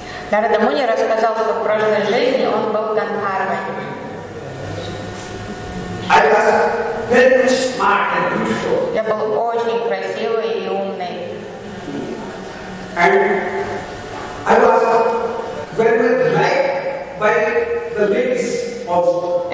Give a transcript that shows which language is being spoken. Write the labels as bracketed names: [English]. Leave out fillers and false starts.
[Russian] Нарада Муни рассказал, что в прошлой жизни он был гандхарвой. [English] I was very smart and beautiful. [Russian] Я был очень красивый и умный. [English] And I was very much liked by the ladies also.